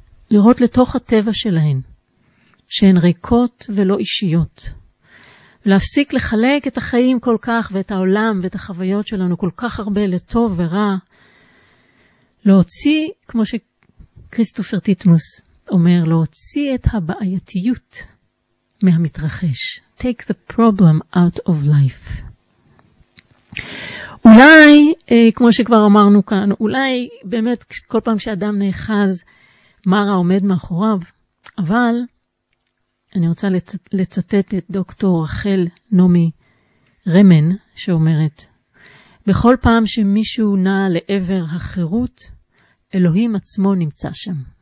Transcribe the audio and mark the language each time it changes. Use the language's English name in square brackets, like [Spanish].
[Hebrew] לראות לתוך הטבע שלהן, שהן ריקות ולא אישיות. להפסיק לחלק את החיים כל כך ואת העולם ואת החוויות שלנו כל כך הרבה לטוב ורע. להוציא, כמו שכריסטופר טיטמוס אומר, להוציא את הבעייתיות מהמתרחש. [English] Take the problem out of life. [Hebrew] אולי, כמו שכבר אמרנו כאן, אולי באמת כל פעם שאדם נאחז, מרה עומד מאחוריו, אבל אני רוצה לצטט את דוקטור רחל נומי רמן, שאומרת, בכל פעם שמישהו נע לעבר החירות, אלוהים עצמו נמצא שם.